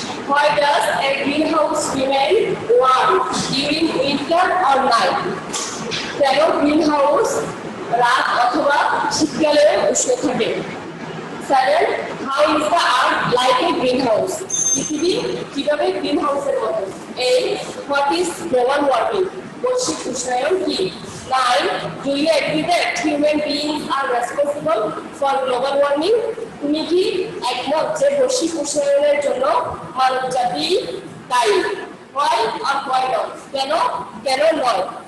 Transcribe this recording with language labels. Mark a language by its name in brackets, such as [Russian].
[English] Why does a greenhouse remain warm during winter or night? [Bangla] কেন greenhouse রাত অথবা শীতকালে উষ্ণ থাকে? [English] 7. How is the earth like a greenhouse? [Bangla] পৃথিবী কিভাবে গ্রিনহাউসের মতো? 8. [English] What is global warming? [Bangla] বৈশ্বিক উষ্ণায়ন কি? 9. [English] Do you agree that human beings are responsible for global warming? [Bangla] তুমি কি একমত যে বৈশ্বিক উষ্ণায়নের জন্য মানব জাতি দায়ী? [English] Why or why not? [Bangla] কেন কেন নয়?